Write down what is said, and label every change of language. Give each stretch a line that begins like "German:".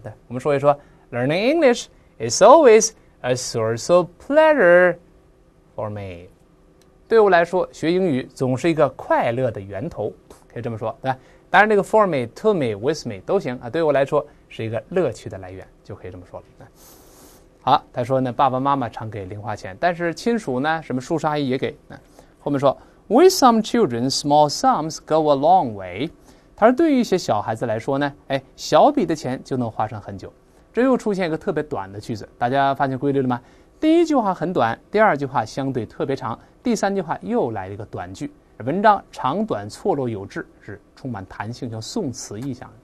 Chinese: 对，我们说一说
English: Learning English is always a source of pleasure for me，
Chinese: 对我来说学英语总是一个快乐的源头，可以这么说，对吧？当然这个
English: for me, to me, with me
Chinese: 都行啊，对我来说是一个乐趣的来源，就可以这么说了。好，他说呢，爸爸妈妈常给零花钱，但是亲属呢，什么叔叔阿姨也给。后面说
English: With some children, small sums go a long way.
Chinese: 他说对于一些小孩子来说呢，哎，小笔的钱就能花上很久。这又出现一个特别短的句子，大家发现规律了吗？第一句话很短，第二句话相对特别长，第三句话又来了一个短句。文章长短错落有致，是充满弹性，像宋词意象。